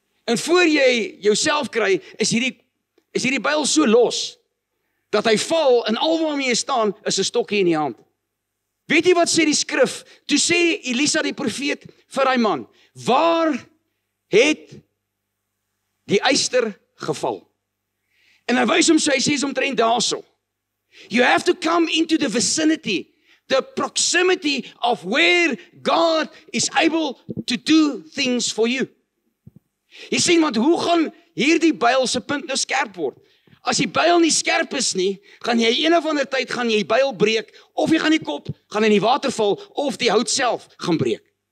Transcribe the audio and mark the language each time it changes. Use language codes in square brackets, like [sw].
[af] En voor jy jouself kry, is hierdie byl so los, dat hy val en al waarmee jy staan, is 'n stokkie in die hand. Weet jy wat sê die skrif? Toe sê Elisa die profeet vir hy man, waar het die eister geval? En hy wys hom so, hy sê is omtrent daarso. [en] You have to come into the vicinity, the proximity of where God is able to do things for you. [af] Jy sien, want hoe gaan hierdie byl se punt nou skerp word? As die byl nie skerp is nie, gaan jy een of ander tyd gaan jy byl breek, of jy gaan die kop gaan in die water val, of die hout self gaan breek.